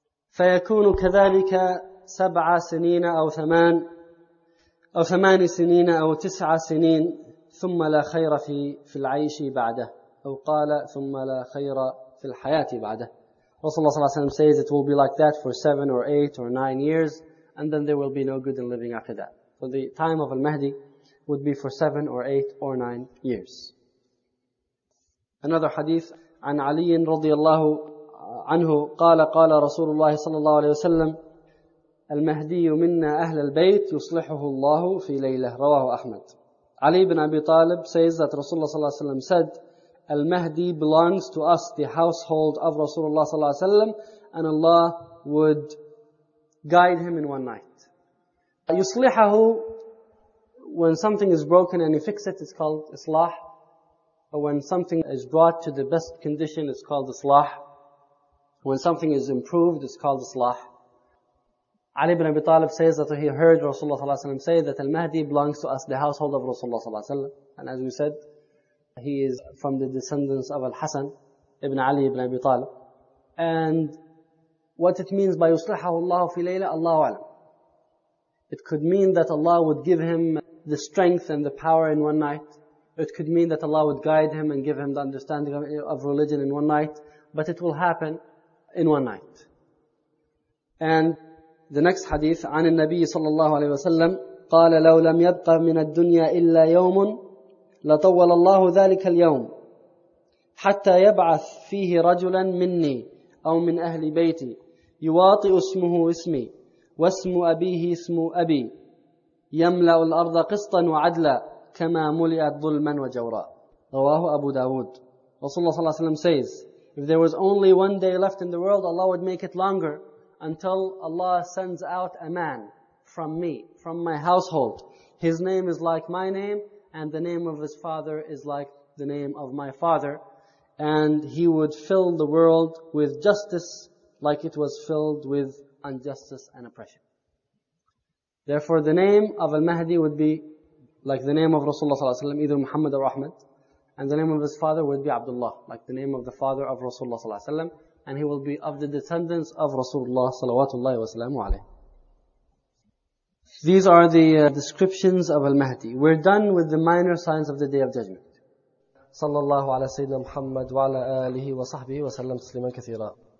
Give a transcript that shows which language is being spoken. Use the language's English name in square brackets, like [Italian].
[Arabic] فَيَكُونُ كَذَلِكَ سَبْعَ سِنِينَ أَوْ ثَمَانِ سِنِينَ أَوْ تِسْعَ سِنِينَ ثُمَّ لَا خَيْرَ فِي الْعَيْشِ بَعْدَهُ أَوْ قَالَ ثُمَّ لَا خَيْرَ فِي الْحَيَاةِ بَعْدَهُ. [English] Rasulullah [Arabic] صلى الله عليه وسلم [English] says it will be like that for 7 or 8 or 9 years and then there will be no good in living after that. So the time of al-Mahdi would be for 7 or 8 or 9 years. Another hadith [Arabic] عن علي رضي الله عنه قال قال رسول الله صلى الله عليه وسلم المهدي منا أهل البيت يصلحه الله في ليلة رواه أحمد. [English] علي بن أبي طالب says that Rasulullah [Arabic] صلى الله عليه وسلم [English] said المهدي belongs to us, the household of Rasulullah صلى الله عليه وسلم, and Allah would guide him in one night. يصلحه, when something is broken and you fix it, it's called إصلاح. Or when something is brought to the best condition, it's called إصلاح. When something is improved, it's called islah. Ali ibn Abi Talib says that he heard Rasulullah ﷺ say that al-Mahdi belongs to us, the household of Rasulullah ﷺ. And as we said, he is from the descendants of al-Hasan, ibn Ali ibn Abi Talib. And what it means by [Arabic] yuslihahu Allahu fi layla, Allahu alam. [English] It could mean that Allah would give him the strength and the power in one night. It could mean that Allah would guide him and give him the understanding of religion in one night. But it will happen in one night. [Arabic] And the next hadith, عن النبي صلى الله عليه وسلم قال لو لم يبقى من الدنيا إلا يوم لطول الله ذلك اليوم حتى يبعث فيه رجلا مني أو من أهل بيتي يواطئ اسمه اسمي واسم أبيه اسم أبي يملأ الأرض قسطا وعدلا كما ملئت ظلما وجورا رواه أبو داود. [English] رسول الله [Arabic] صلى الله عليه وسلم [English] says, if there was only one day left in the world, Allah would make it longer until Allah sends out a man from me, from my household. His name is like my name and the name of his father is like the name of my father. And he would fill the world with justice like it was filled with injustice and oppression. Therefore, the name of al-Mahdi would be like the name of Rasulullah [Arabic] صلى الله عليه وسلم, [English] either Muhammad or Ahmed. And the name of his father would be Abdullah, like the name of the father of Rasulullah [Arabic] صلى الله عليه وسلم. [English] And he will be of the descendants of Rasulullah [Arabic] صلوات الله وسلامه عليه. [English] These are the descriptions of al-Mahdi. We're done with the minor signs of the Day of Judgment. [Arabic] صلى الله على سيدنا محمد وعلى آله وصحبه وسلم تسليما كثيرا.